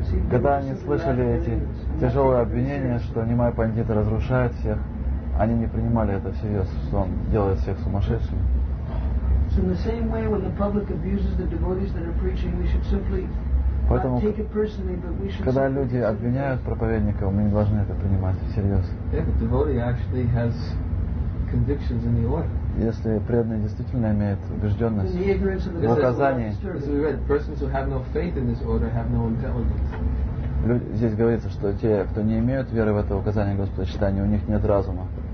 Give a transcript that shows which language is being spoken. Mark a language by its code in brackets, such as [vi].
[ru] Когда они слышали эти тяжелые обвинения, что Нимай Пандиты разрушают всех, они не принимали это всерьез, что он делает всех сумасшедшими. [en] So in the same way, when the public abuses the devotees that are preaching, we should simply not take it personally, but we should. [ru] Когда люди обвиняют проповедников, мы не должны это принимать всерьез. [en] Yeah, but the devotee actually has convictions in the order. [ru] Если преданный действительно имеет убежденность в указании. [en] As we read, persons who have no faith in this order have no intelligence. [ru] Здесь говорится, что те, кто не имеют веры в это указание Господа Чайтаньи, у них нет разума.